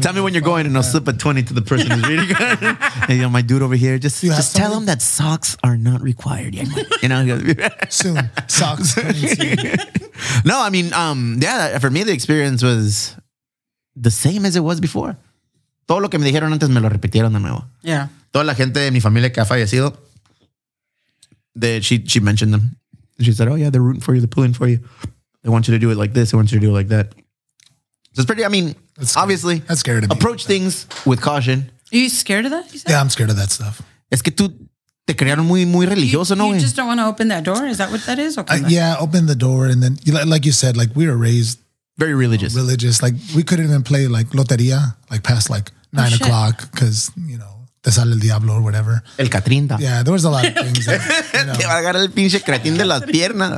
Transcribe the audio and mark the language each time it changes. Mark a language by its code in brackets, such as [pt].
[en] Tell me when you're going and I'll slip a 20 to the person who's reading. Hey, you know, my dude over here, just tell him that socks are not required yet. You know? Soon. Socks. No, I mean, yeah, for me, the experience was the same as it was before. [es] Todo lo que me dijeron antes me lo repitieron de nuevo. [en] Yeah. [es] Toda la gente de mi familia que ha fallecido, [en] she mentioned them. She said, oh, yeah, they're rooting for you. They're pulling for you. They want you to do it like this. They want you to do it like that. So it's pretty, I mean, that's obviously. That's scary to me. Approach things with caution. Are you scared of that? You said? Yeah, I'm scared of that stuff. [es] Es que tú te crearon muy, muy religioso, [en] you, [es] ¿no? [en] You just don't want to open that door? Is that what that is? Okay, yeah, open the door. And then, like you said, like we were raised. Very religious. You know, religious. Like we couldn't even play like Loteria, like past like 9 oh, o'clock because, you know. [es] Te sale el diablo [en] or whatever. [es] El Catrinda. [en] Yeah, there was a lot of things. [es] Te va a agarrar el pinche cretín de las piernas.